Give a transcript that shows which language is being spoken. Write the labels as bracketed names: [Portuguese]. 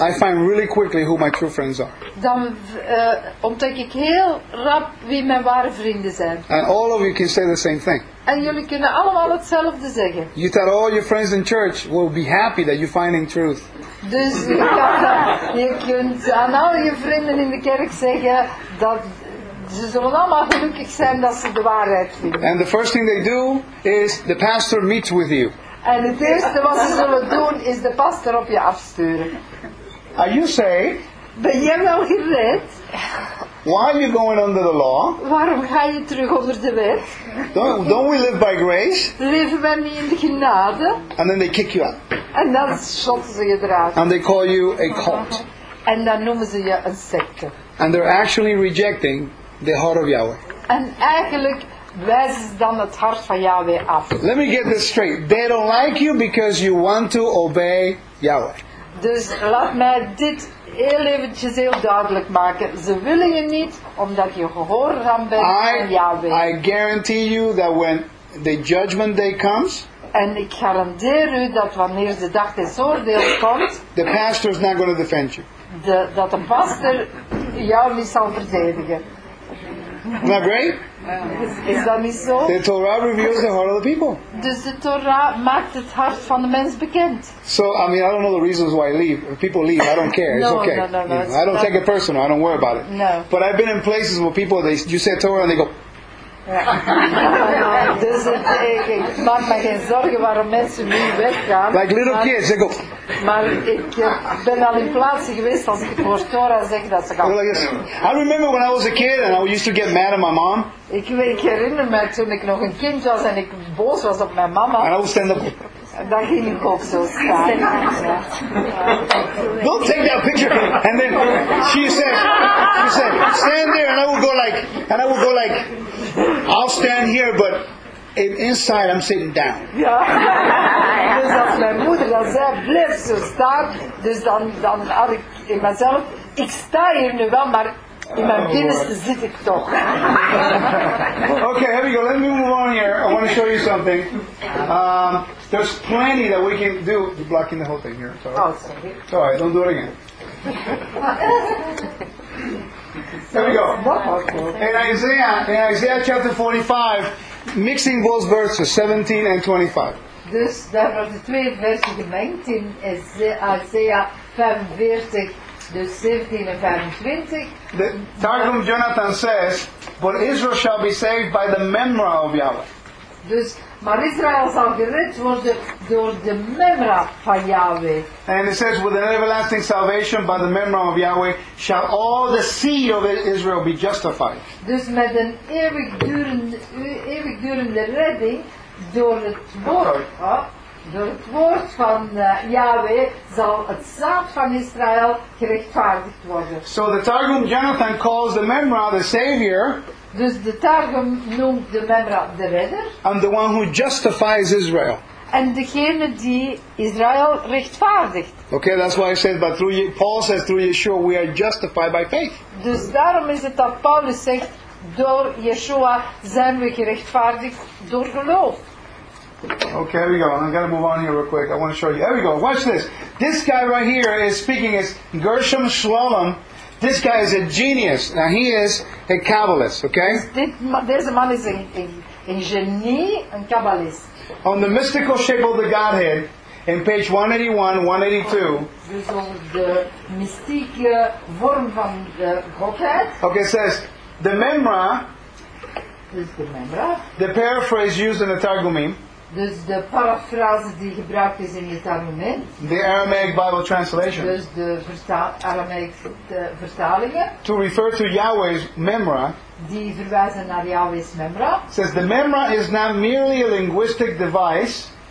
[English] I find really quickly who my true friends are. [Dutch] Dan ontdek ik heel rap wie mijn ware vrienden zijn. [English] And all of you can say the same thing. [Dutch] En jullie kunnen allemaal hetzelfde zeggen. [English] You tell all your friends in church will be happy that you're finding truth. [Dutch] Dus je kunt aan al je vrienden in de kerk zeggen dat ze zullen allemaal gelukkig zijn dat ze de waarheid vinden. [English] And the first thing they do is the pastor meets with you. [Dutch] En het eerste wat ze zullen doen is de pastor op je afsturen. [English] Are you saved? [Dutch] Ben jij wel gered? [English] Why are you going under the law? [Dutch] Waarom ga je terug onder de wet? [English] Don't we live by grace? [Dutch] Leven wij niet in de genade? [English] And then they kick you out. [Dutch] En dan schotten ze je eruit. [English] And they call you a cult. [Dutch] En dan noemen ze je een secte. [English] And they're actually rejecting the heart of Yahweh. [Dutch] En eigenlijk wijs dan het hart van Yahweh af. [English] Let me get this straight. They don't like you because you want to obey Yahweh. [Dutch] Dus laat mij dit heel eventjes heel duidelijk maken. Ze willen je niet omdat je gehoorzaam bent aan Yahweh. [English] I guarantee you that when the judgment day comes. [Dutch] En ik garandeer u dat wanneer de dag des oordeels komt. [English] The pastor is not going to defend you. [Dutch] Dat de pastor jou niet zal verdedigen. [English] Isn't that great? [Dutch] Is dat niet zo? [English] The Torah reveals the heart of the people. [Dutch] Dus de Torah maakt het hart van de mens bekend. [English] So, I mean, I don't know the reasons why I leave. If people leave, I don't care. No, it's okay. No. I don't take it personal. I don't worry about it. No. But I've been in places where people, you say Torah and they go... [Dutch] Dus ik maak me geen zorgen waarom mensen nu weggaan. [English] Like little kids, they go... [Dutch] Maar ik ben al in plaatsen geweest als ik voor Torah zeg dat ze gaan. [English] I remember when I was a kid and I used to get mad at my mom. [Dutch] Ik herinner me toen ik nog een kind was en ik boos was op mijn mama. [English] And I would stand up. [Dutch] Dan ging ik op zo staan. [English] Don't take that picture. And then she said, stand there and I would go like, I'll stand here, but inside I'm sitting down. [Dutch] Ja. Dus als mijn moeder dan zei, blijf zo staan. Dus dan had ik in mezelf, ik sta hier nu wel, maar in mijn binnenste zit ik toch. [English] Okay, here we go. Let me move on here. I want to show you something. There's plenty that we can do. You're blocking the whole thing here. Sorry. Oh, sorry. It's all right. Don't do it again. There we go. In Isaiah, chapter 45, mixing those verses 17 and 25. [Dutch] Dus daar wordt de twee versen gemengd in Isaiah 45, dus 17 en 25. [English] The Targum Jonathan says, but Israel shall be saved by the memory of Yahweh. [Dutch] Dus, maar Israël zal gered worden door de memra van Yahweh. [English] And it says, with an everlasting salvation by the memra of Yahweh, shall all the seed of Israel be justified. [Dutch] Dus met een eeuwigdurende redding, door het woord van Yahweh zal het zaad van Israël gerechtvaardigd worden. [English] So the Targum Jonathan calls the Memra the Savior. [Dutch] Dus de Targum noemt de Memra de Redder. [English] And the one who justifies Israel. [Dutch] En degene die Israël rechtvaardigt. [English] Okay, that's why I said, but through Paul says through Yeshua we are justified by faith. [Dutch] Dus daarom is het dat Paulus zegt, door Yeshua zijn we gerechtvaardigd door geloof. [English] Okay, here we go. I'm going to move on here real quick. I want to show you. Here we go. Watch this. This guy right here is speaking. It's Gershom Scholem. This guy is a genius. Now, he is a Kabbalist, okay? [Dutch] Deze man is een genie, een Kabbalist. [English] On the mystical shape of the Godhead, in page 181, 182. [Dutch] Dus de mystieke vorm van de Godhead. [English] Okay, it says, the Memra, [Dutch] dus de Memra, [English] the paraphrase used in the Targumim, [Dutch] dus de paraphrase die gebruikt is in het Targumim, [English] the Aramaic Bible translation, [Dutch] dus de Aramaic vertalingen, [English] to refer to Yahweh's Memra, [Dutch] die verwijzen naar Yahweh's Memra, [English] says the Memra is not merely a linguistic device,